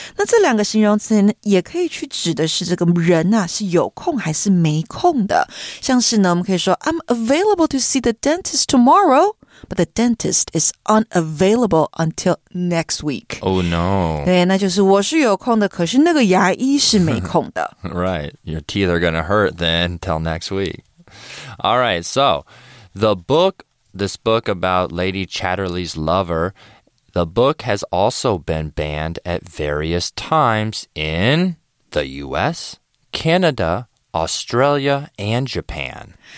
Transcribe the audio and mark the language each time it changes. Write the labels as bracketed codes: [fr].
[zh] 那这两个形容词也可以去指的是这个人啊是有空还是没空的。像是呢，我们可以说 [en] I'm available to see the dentist tomorrow。 But the dentist is unavailable until next week. Oh, no. [zh] 对，那就是我是有空的，可是那个牙医是没空的。 [en] Right. Your teeth are going to hurt then until next week. All right. So, the book, this book about Lady Chatterley's lover, the book has also been banned at various times in the U.S., Canada, Australia, and Japan.